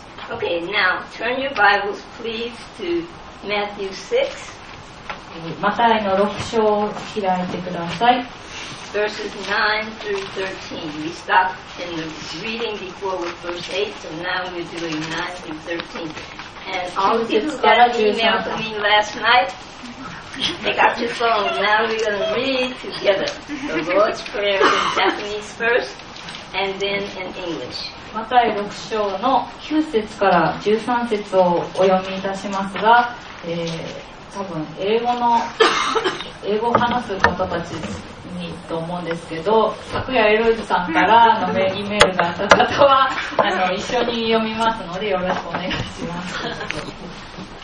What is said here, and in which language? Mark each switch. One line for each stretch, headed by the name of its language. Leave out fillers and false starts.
English: Okay, now turn your Bibles please to Matthew 6.
Japanese: マタイの6章を開いてください。
English: Verses 9 through 13. We stopped in the reading before with verse 8, so now we're doing 9 through 13. And all the people who got an email from me last night,They got your phone. Now we're going to read together the Lord's Prayer in Japanese first and then in English.
Japanese: マタイ6章の9節から13節をお読みいたしますが、多分英語話す方たちにと思うんですけど、昨夜エロイズさんからのメールがあった方は一緒に読みますのでよろしくお願いします。